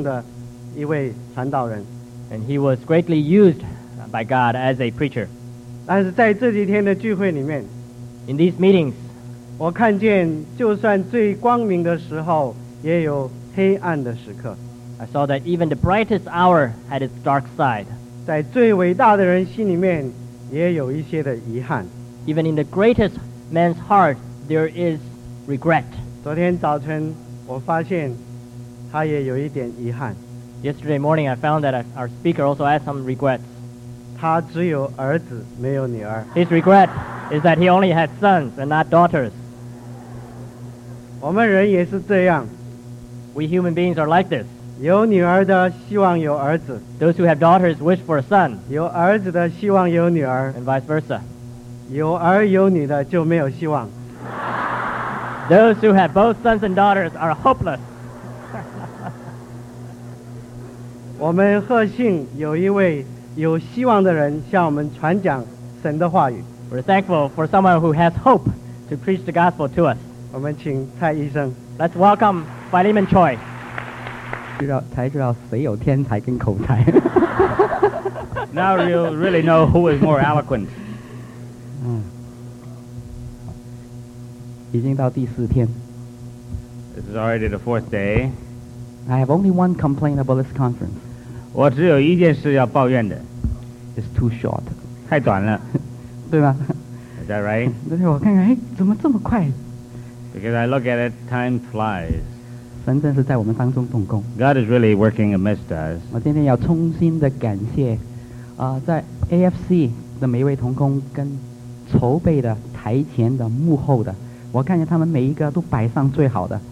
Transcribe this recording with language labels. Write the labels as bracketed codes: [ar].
[zh] 成为上帝所大大使用的一位传道人, [en] and he was greatly used by God as a preacher. [zh] 但是在这几天的聚会里面, [en] in these meetings, [zh] 我看见就算最光明的时候, 也有黑暗的时刻, [en] I saw that even the brightest hour had its dark side. [zh] 在最伟大的人心里面, 也有一些的遗憾, [en] even in the greatest man's heart, there is regret. [zh] 昨天早晨, 我发现他也有一点遗憾, [en] yesterday morning I found that our speaker also had some regrets. [zh] 他只有儿子, 没有女儿, [en] his regret is that he only had sons and not daughters. [zh] 我们人也是这样, [en] we human beings are like this. [zh] 有女儿的希望有儿子, [en] those who have daughters wish for a son. [zh] 有儿子的希望有女儿, [en] and vice versa. [zh] 有儿有女的就没有希望, [en] those who have both sons and daughters are hopeless. [zh] 我们贺信有一位有希望的人向我们传讲神的话语, [en] we're thankful for someone who has hope to preach the gospel to us. [zh] 我们请蔡医生, [en] let's welcome Philemon Choi. [zh] 才知道谁有天才跟口才. [en] Now you really know who is more eloquent. [zh] 已经到第四天。 [en] This is already the fourth day. I have only one complaint about this conference. [zh] 我只有一件事要抱怨的。 [en] It's too short. [zh] 太短了。对吧？ [en] Is that right? [zh] 那天我看看，哎，怎么这么快？ [en] Because I look at it, time flies. [zh] 神真是在我们当中动工。 [en] God is really working amidst us. [zh] 我今天要衷心的感谢，在 AFC 的每一位同工跟筹备的台前的幕后的，我看见他们每一个都摆上最好的。